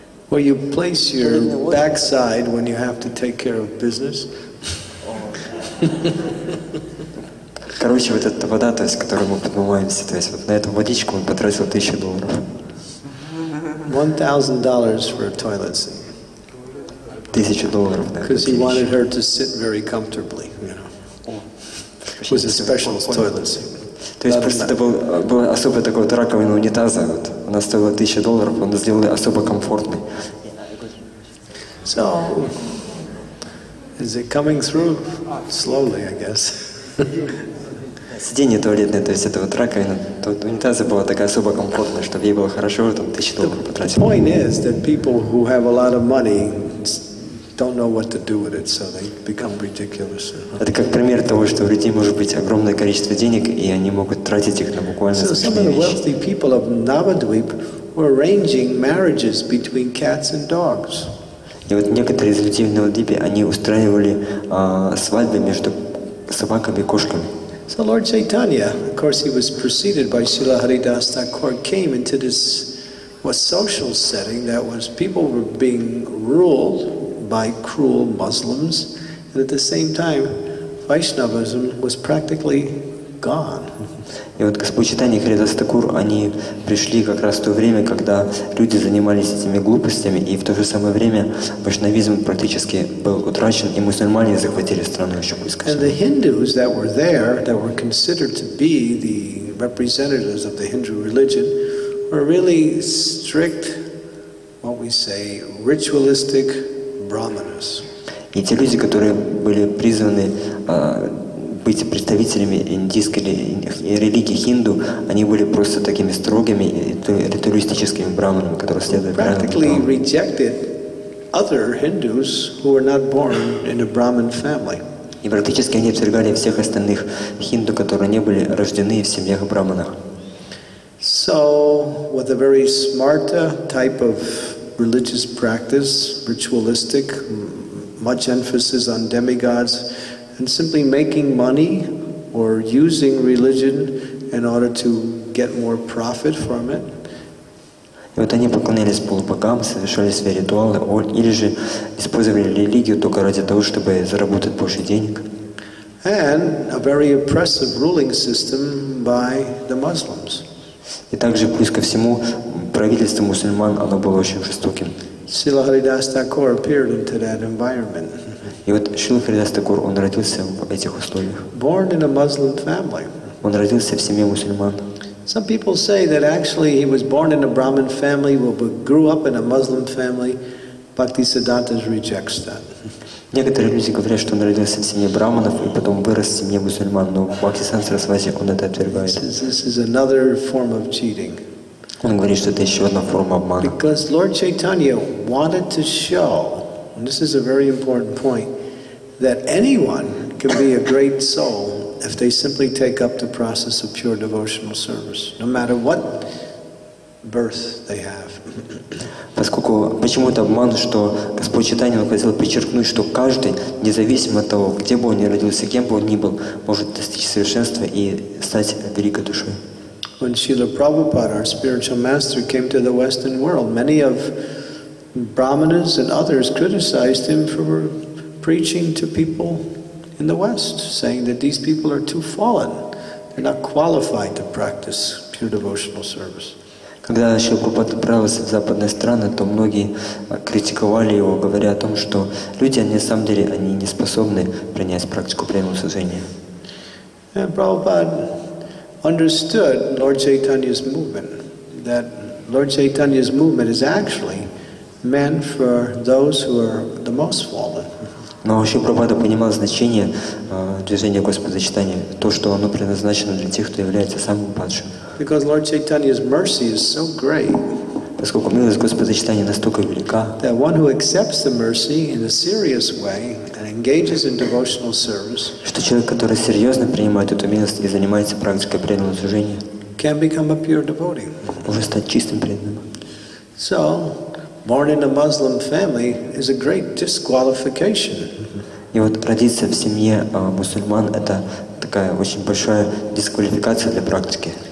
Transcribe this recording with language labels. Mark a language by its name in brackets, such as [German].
[English] Where you place your backside when you have to take care of business. [Russian] Короче, вот эта вода, то есть, которой мы подмываемся, то есть, вот на эту водичку он потратил $1,000. [English] $1,000 for a toilet seat. $1,000. Because he wanted her to sit very comfortably, you know. It was a special toilet seat. [Russian] То есть просто это был особый такой вот раковина унитаза. Вот. Она стоила $1000, он сделали особо комфортный. [English] So, is it coming through? Slowly, I guess. [Russian] Сиденье туалетное, то есть это вот раковина, то унитазы была такая особо комфортная, чтобы ей было хорошо, там $1000 потратили. [English] The point is that people who have a lot of money don't know what to do with it, so they become ridiculous. [Russian] Это как пример того, что у людей может быть огромное количество денег, и они могут тратить их на буквально смешные вещи. [English] So some of the wealthy people of Navadvip were arranging marriages between cats and dogs. [Russian] И вот некоторые из людей в Навадвипе, они устраивали свадьбы между собаками и кошками. [English] So Lord Chaitanya, of course, he was preceded by Srila Haridas Thakur, came into this was social setting that was people were being ruled by cruel Muslims, and at the same time, Vaishnavism was practically gone. [Russian] И вот Господь Чайтанья и Харидас Такур, они пришли как раз в то время, когда люди занимались этими глупостями, и в то же самое время вайшнавизм практически был утрачен, и мусульмане захватили страну еще близко. [English] And the Hindus that were there, that were considered to be the representatives of the Hindu religion, were really strict, what we say, ritualistic brahmanas. [Russian] И те люди, которые были призваны быть представителями индийской религии хинду, они были просто такими строгими ритуалистическими браманами, которые следовали брахманам. [English] Practically rejected other Hindus who were not born in a Brahmin family. [Russian] И практически они отвергали всех остальных хинду, которые не были рождены в семьях браманов. [English] So, with a very smart type of religious practice, ritualistic, much emphasis on demigods, and simply making money or using religion in order to get more profit from it. [Russian] И вот они поклонялись полубогам, совершали свои ритуалы, или же использовали религию только ради того, чтобы заработать больше денег. [English] And a very oppressive ruling system by the Muslims. [Russian] И также, плюс ко всему, правительство мусульман, оно было очень жестоким. [English] Srila Haridas Thakur appeared into that environment. [Russian] И вот Шрила Харидас Такур, он родился в этих условиях. [English] Born in a Muslim family. [Russian] Он родился в семье мусульман. [English] Some people say that actually he was born in a Brahmin family, but grew up in a Muslim family. Bhaktisiddhanta rejects that. [Russian] Некоторые люди говорят, что он родился в семье браманов и потом вырос в семье мусульман, но Бхактисиддханта Сарасвати, он это отвергает. [English] This is another form of cheating. [Russian] Он говорит, что это еще одна форма обмана. [English] Because Lord Chaitanya wanted to show, and this is a very important point, that anyone can be a great soul if they simply take up the process of pure devotional service, no matter what birth they have. [Russian] Поскольку, почему это обман, что Господь Чайтанья хотел подчеркнуть, что каждый, независимо от того, где бы он ни родился, кем бы он ни был, может достичь совершенства и стать великой душой. [English] When Srila Prabhupada, our spiritual master, came to the Western world, many of Brahmanas and others criticized him for preaching to people in the West, saying that these people are too fallen. They're not qualified to practice pure devotional service. [Russian] Когда Шрила Прабхупада отправился в западные страны, то многие критиковали его, говоря о том, что люди, на самом деле, они не способны принять практику преданного служения. [English] And Prabhupada understood Lord Chaitanya's movement, that Lord Chaitanya's movement is actually meant for those who are the most fallen. [Russian] Но Шрила Прабхупада понимал значение движения Господа Чайтаньи, то, что оно предназначено для тех, кто является самым падшим. [English] Because Lord Chaitanya's mercy is so great. [Russian] Поскольку милость Господа Чайтаньи настолько велика. [English] That one who accepts the mercy in a serious way and engages in devotional service. [Russian] Что человек, который серьезно принимает эту милость и занимается практикой преданного служения. [English] Can become a pure devotee. [Russian] Уже стать чистым преданным. [English] So, born in a Muslim family is a great disqualification. [Russian] И вот родиться в семье мусульман это такая очень большая дисквалификация для практики.